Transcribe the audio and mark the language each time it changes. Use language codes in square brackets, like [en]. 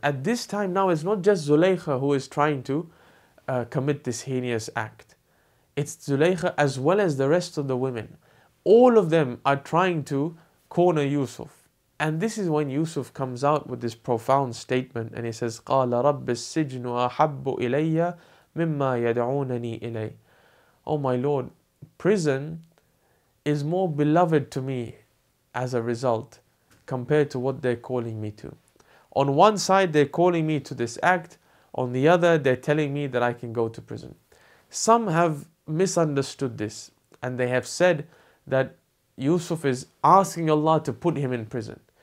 [en] At this time now, it's not just Zulaykha who is trying to commit this heinous act. It's Zulaykha as well as the rest of the women. All of them are trying to corner Yusuf. And this is when Yusuf comes out with this profound statement. And he says, [ar] قَالَ رَبِّ السِّجْنُ أَحَبُّ إِلَيَّ مِمَّا يَدْعُونَنِي إِلَيَّ. [en] Oh my Lord, prison is more beloved to me as a result compared to what they're calling me to. On one side, they're calling me to this act. On the other, they're telling me that I can go to prison. Some have misunderstood this and they have said that Yusuf is asking Allah to put him in prison.